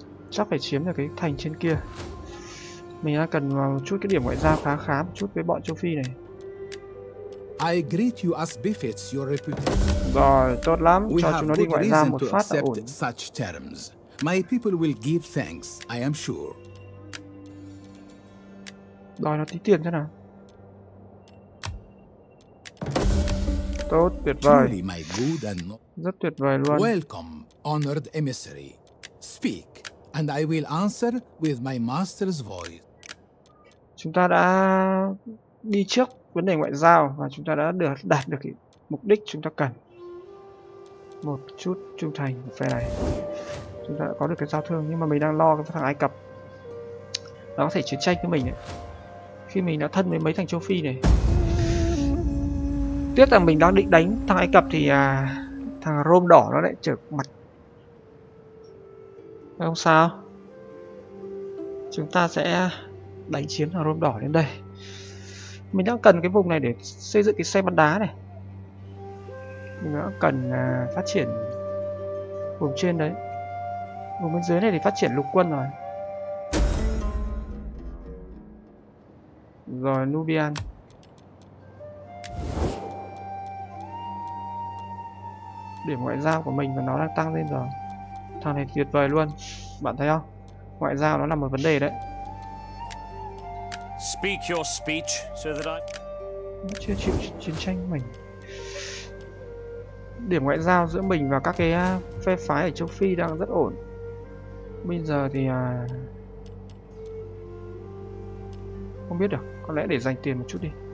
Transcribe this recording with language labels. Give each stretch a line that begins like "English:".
Vietnamese: Chắc phải chiếm được cái thành trên kia. Mình đang cần một chút cái điểm ngoại giao khá khá một chút với bọn châu Phi này.
English: I greet you as befits your reputation.
Vietnamese: Rồi, tốt lắm.
English: We
Vietnamese: cho chúng nó đi ngoại giao một phát là ổn.
English: Such terms. My people will give thanks, I am sure.
Vietnamese: Đòi nó tí tiền thế nào. Tốt, tuyệt vời.
English: My good and no-
Vietnamese: rất tuyệt vời luôn.
English: Welcome, honored emissary. Speak, and I will answer with my master's voice.
Vietnamese: Chúng ta đã đi trước vấn đề ngoại giao và chúng ta đã được đạt được cái mục đích chúng ta cần. Một chút trung thành của phe này. Chúng ta đã có được cái giao thương nhưng mà mình đang lo cái thằng Ai Cập. Nó có thể chiến tranh với mình ấy. Khi mình đã thân với mấy thằng châu Phi này. Tiếc là mình đang định đánh thằng Ai Cập thì thằng Rôm đỏ nó lại trở mặt. Không sao. Chúng ta sẽ đánh chiếm thằng Rôm đỏ đến đây. Mình đang cần cái vùng này để xây dựng cái xe bắn đá này. Mình đang cần phát triển vùng trên đấy. Vùng bên dưới này thì phát triển lục quân rồi. Rồi Nubian. Điểm ngoại giao của mình và nó đang tăng lên rồi. Thằng này tuyệt vời luôn. Bạn thấy không? Ngoại giao nó là một vấn đề đấy.
English: Speak your speech so that I...
Vietnamese: Nó chưa chịu chiến tranh mình. Điểm ngoại giao giữa mình và các cái phe phái ở châu Phi đang rất ổn. Bây giờ thì không biết được, có lẽ để dành tiền một chút đi.